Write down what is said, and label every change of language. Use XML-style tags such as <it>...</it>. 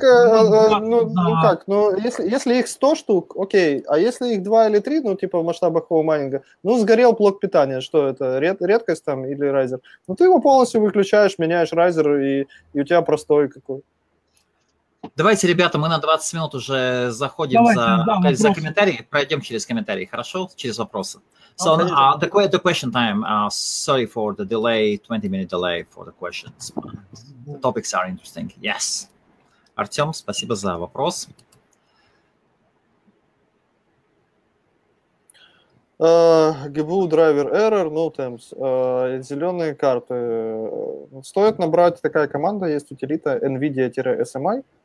<ru>Так, если их 100 штук, окей, а если их 2 или 3, ну, типа в масштабах хоу майнинга, ну, сгорел блок питания, что это, редкость там или райзер, ну, ты его полностью выключаешь, меняешь райзер, и у тебя простой какой. Давайте, ребята, мы на 20 минут уже заходим. Давайте, за комментарии, пройдем через комментарии, хорошо? Через вопросы.</ru> <en>So, the question time, sorry for the delay, 20-minute delay for the questions. The topics are interesting, yes.</en> <ru>Артем, спасибо за вопрос.</ru> <en>GPU driver error, no temps.</en> <ru>Зеленые карты. Стоит набрать такая команда, есть утилита NVIDIA-SMI.</ru>